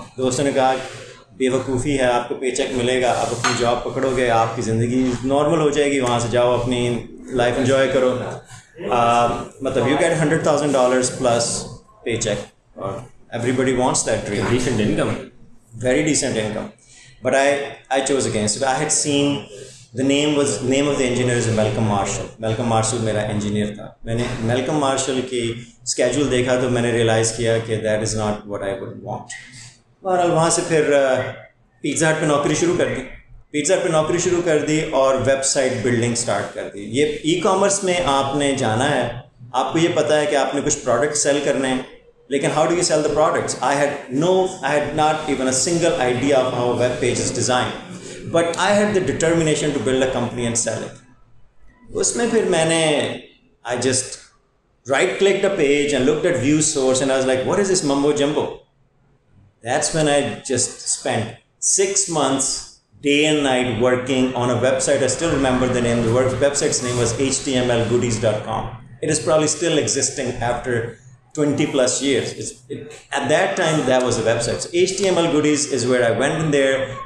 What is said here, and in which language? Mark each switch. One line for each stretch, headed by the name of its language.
Urdu: دوستوں نے کہا بے وقوفی ہے, آپ کو پے چیک ملے گا, آپ اپنی جاب پکڑو گے, آپ کی زندگی نارمل ہو جائے گی, وہاں سے جاؤ اپنی لائف انجوائے کرو, مطلب
English: you get $100,000 plus paycheck
Urdu: اور
English: Everybody wants that dream. Decent income, very decent income. But I choose against. I had seen the name, was name of the engineer is Malcolm Marshall.
Urdu: ملکم martial میرا engineer تھا. میں نے ملکم martial کی schedule دیکھا تو میں نے ریئلائز کیا کہ
English: That is not what I would want.
Urdu: بہرحال وہاں سے پھر پیزا ہٹ پہ نوکری شروع کر دی, پیزا ہٹ پہ نوکری شروع کر دی اور ویب سائٹ بلڈنگ اسٹارٹ کر دی. یہ ای کامرس میں آپ نے جانا ہے, آپ کو یہ پتا ہے کہ آپ نے کچھ پروڈکٹ سیل کرنے ہیں, لیکن
English: How do you sell the products? I had not even a single idea of how web page is designed, but I had the determination to build a company and sell it.
Urdu: اس میں پھر میں نے
English: I just right click the page and look at view source and I was like what is this mumbo jumbo. That's when I just spent 6 months day and night working on a website. I still remember the name of the website's name was htmlgoodies.com. It is probably still existing after 20 plus years. At that time, that was a website. So HTML Goodies is where I went in there.